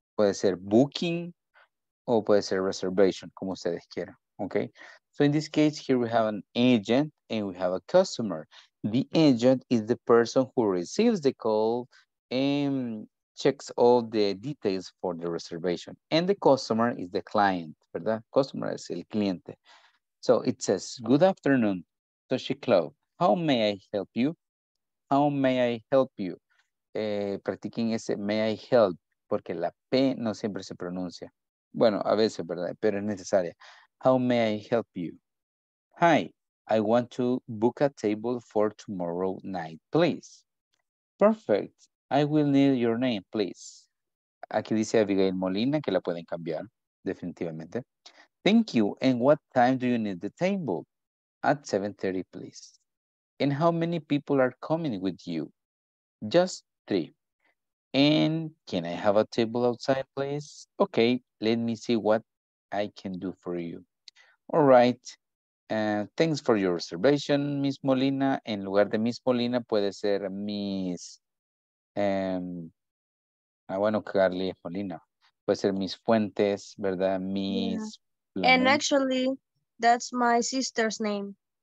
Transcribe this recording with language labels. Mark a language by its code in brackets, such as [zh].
[es] Puede ser booking o puede ser reservation, como ustedes quieran, okay? [en] So in this case, here we have an agent and we have a customer. The agent is the person who receives the call and checks all the details for the reservation. And the customer is the client, [es] ¿verdad? Customer es el cliente. [en] So it says, good afternoon, Toshi Club. How may I help you? How may I help you? [es] Practiquen ese [en] may I help, [es] porque la P no siempre se pronuncia. Bueno, a veces, ¿verdad? Pero es necesaria. [en] How may I help you? Hi, I want to book a table for tomorrow night, please. Perfect. I will need your name, please. [es] Aquí dice Abigail Molina, que la pueden cambiar, definitivamente. [en] Thank you. And what time do you need the table? At 7:30, please. And how many people are coming with you? Just 3. And can I have a table outside, please? Okay, let me see what I can do for you. All right. Thanks for your reservation, Miss Molina. [es] En lugar de Miss Molina, puede ser Miss... bueno, Carly es Molina. Puede ser Miss Fuentes, ¿verdad? Miss... [en] Yeah. And actually, that's my sister's name.